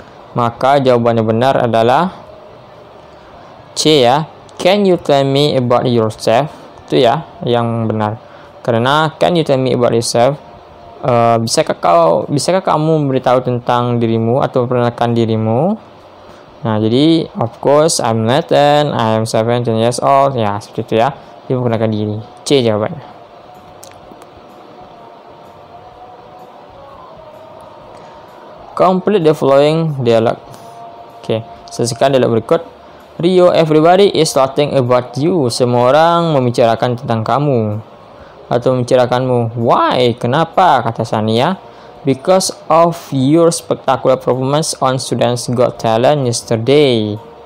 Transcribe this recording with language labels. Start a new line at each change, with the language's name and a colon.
Indonesian: Maka jawabannya benar adalah C ya.
English: Can you tell me about yourself?
Indonesian: Itu ya, yang benar. Karena
English: can you tell me about yourself?
Indonesian: Bisakah kamu beritahu tentang dirimu atau memperkenalkan dirimu? Nah, jadi
English: of course I'm Nathan, I'm 17 years old.
Indonesian: Ya, seperti itu ya. Dia memperkenalkan diri. C jawabannya.
English: Complete the following dialogue. Oke, okay.
Indonesian: Selesaikan dialog berikut.
English: Rio, everybody is talking about you.
Indonesian: Semua orang membicarakan tentang kamu. Atau membicarakanmu. Why? Kenapa? Kata Sania.
English: Because of your spectacular performance on Students Got Talent yesterday.